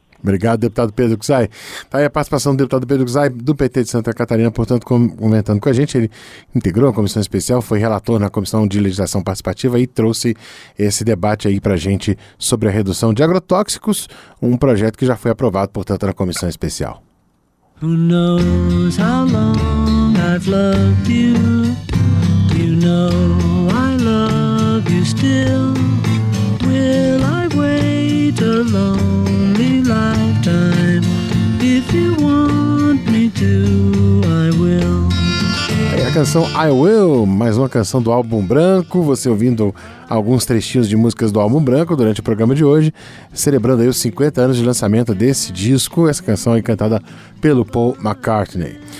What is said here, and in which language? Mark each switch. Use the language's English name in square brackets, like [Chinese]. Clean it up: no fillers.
[Portuguese] Obrigado, deputado Pedro Czai. Está aí a participação do deputado Pedro Czai, do PT de Santa Catarina, portanto, comentando com a gente. Ele integrou a comissão especial, foi relator na Comissão de Legislação Participativa e trouxe esse debate aí para a gente sobre a redução de agrotóxicos, um projeto que já foi aprovado, portanto, na comissão especial. [English] Who knows how long I've loved you? Do you know I love you still? Will I wait a lonely lifetime? If you want me to, I will. [Portuguese] Aí a canção I Will, mais uma canção do álbum Branco, você ouvindo alguns trechinhos de músicas do álbum Branco durante o programa de hoje, celebrando aí os 50 anos de lançamento desse disco, essa canção aí cantada pelo Paul McCartney.